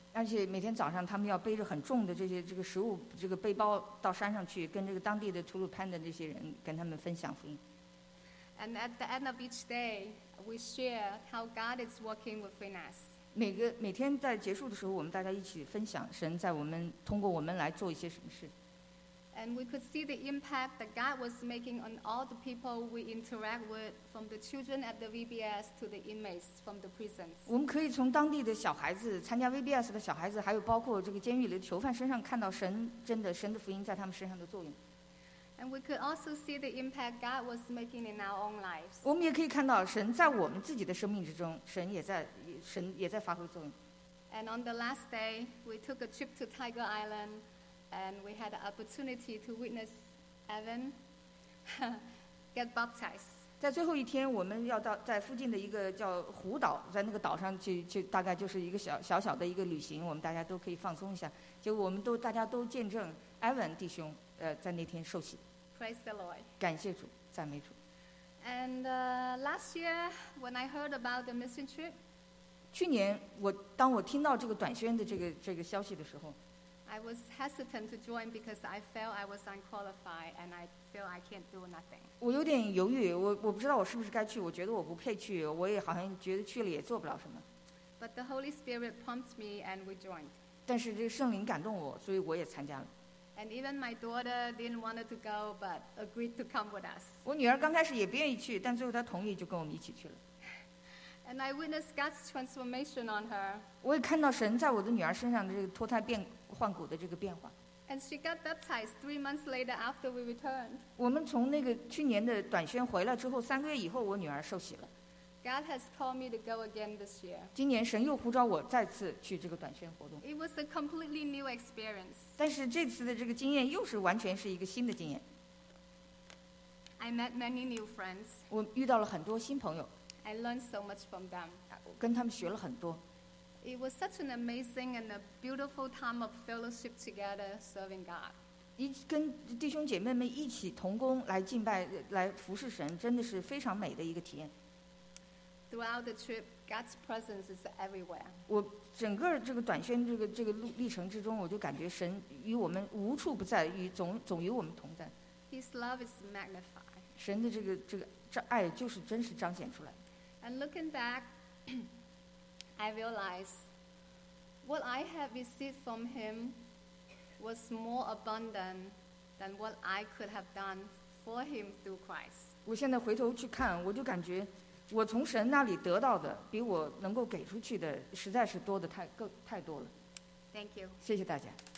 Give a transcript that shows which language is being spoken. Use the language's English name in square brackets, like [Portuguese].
[Chinese] 而且每天早上他们要背着很重的这个食物这个背包到山上去，跟这个当地的 Tulipin 的这些人跟他们分享福音。 [English] And at the end of each day, we share how God is working within us. [Chinese] 每天在结束的时候，我们大家一起分享神在我们通过我们来做一些什么事。 [English] And we could see the impact that God was making on all the people we interact with, from the children at the VBS to the inmates from the prisons. [Chinese] 我们可以从当地的小孩子参加 VBS 的小孩子，还有包括这个监狱里的囚犯身上看到神的福音在他们身上的作用。 [English] And we could also see the impact God was making in our own lives. [Chinese] 我们也可以看到神在我们自己的生命之中，神也在发挥作用。 [English] And on the last day, we took a trip to Tiger Island, and we had the opportunity to witness Evan get baptized. [Chinese] 在最后一天，我们要到在附近的一个叫湖岛，在那个岛上去，大概就是一个小小的一个旅行，我们大家都可以放松一下。就我们都大家都见证 Evan 弟兄。在那天受洗。 [English] Praise the Lord. [Chinese] 感谢主，赞美主。 [English] And last year, when I heard about the mission trip, [Chinese] 去年当我听到这个短宣的这个消息的时候 [English] ，I was hesitant to join because I felt I was unqualified and I feel I can't do nothing. [Chinese] 我有点犹豫，我不知道我是不是该去，我觉得我不配去，我也好像觉得去了也做不了什么。 [English] But the Holy Spirit prompts me and we joined. [Chinese] 但是这个圣灵感动我，所以我也参加了。 [English] And even my daughter didn't want to go, but agreed to come with us. [Chinese] 我女儿刚开始也不愿意去，但最后她同意就跟我们一起去了。 [English] And I witnessed God's transformation on her. [Chinese] 我也看到神在我的女儿身上的这个脱胎变换骨的这个变化。 [English] And she got baptized 3 months later after we returned. [Chinese] 我们从那个去年的短宣回来之后，3个月以后，我女儿受洗了。 [English] God has called me to go again this year. [Chinese] 今年神又呼召我再次去这个短宣活动。 [English] It was a completely new experience. [Chinese] 但是这次的这个经验又是完全是一个新的经验。 [English] I met many new friends. [Chinese] 我遇到了很多新朋友。 [English] I learned so much from them. [Chinese] 跟他们学了很多。 [English] It was such an amazing and a beautiful time of fellowship together serving God. [Chinese] 跟弟兄姐妹们一起同工来敬拜来服侍神真的是非常美的一个体验。 [English] Throughout the trip, God's presence is everywhere. [Chinese] 我整个这个短宣这个历程之中，我就感觉神与我们无处不在，与总与我们同在。 [English] His love is magnified. [Chinese] 神的这个爱就是真实彰显出来。 [English] And looking back, I realize what I have received from Him was more abundant than what I could have done for Him through Christ. [Chinese] 我现在回头去看，我就感觉。我从神那里得到的比我能够给出去的实在是多的太多了。 [English] Thank you. [Chinese] 谢谢大家。